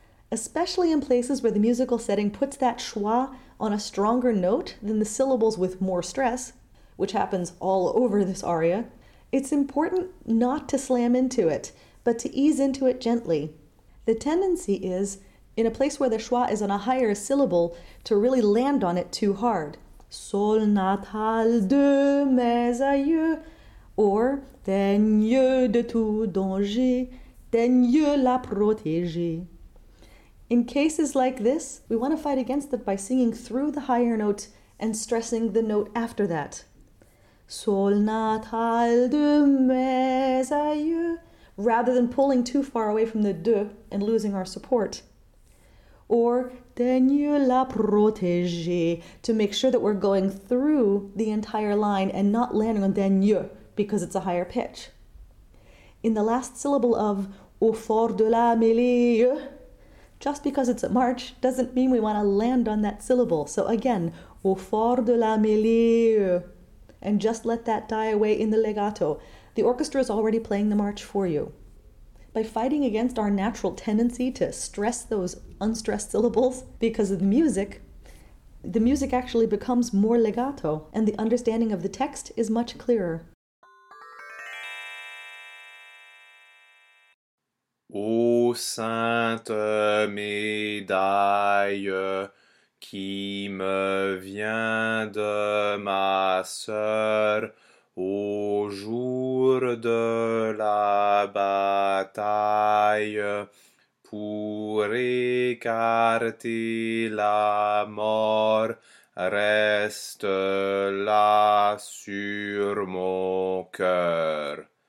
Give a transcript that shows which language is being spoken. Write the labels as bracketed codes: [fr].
[en] Especially in places where the musical setting puts that schwa on a stronger note than the syllables with more stress, which happens all over this aria, it's important not to slam into it, but to ease into it gently. The tendency is, in a place where the schwa is on a higher syllable, to really land on it too hard. [fr] Sol natal de mes aïeux, or daigne de tout danger, daigne la protéger. [en] In cases like this, we want to fight against it by singing through the higher note and stressing the note after that. [fr] Sol natal de mes aïeux, [en] rather than pulling too far away from the de and losing our support. Or [fr] daigne la protéger, [en] to make sure that we're going through the entire line and not landing on daigne because it's a higher pitch. In the last syllable of [fr] au fort de la mêlée, [en] just because it's a march doesn't mean we want to land on that syllable. So again, [fr] au fort de la mêlée, [en] and just let that die away in the legato. The orchestra is already playing the march for you. By fighting against our natural tendency to stress those unstressed syllables because of the music actually becomes more legato, and the understanding of the text is much clearer. [fr] Ô sainte médaille qui me vient de ma sœur au jour de la bataille pour écarter la mort reste là sur mon cœur.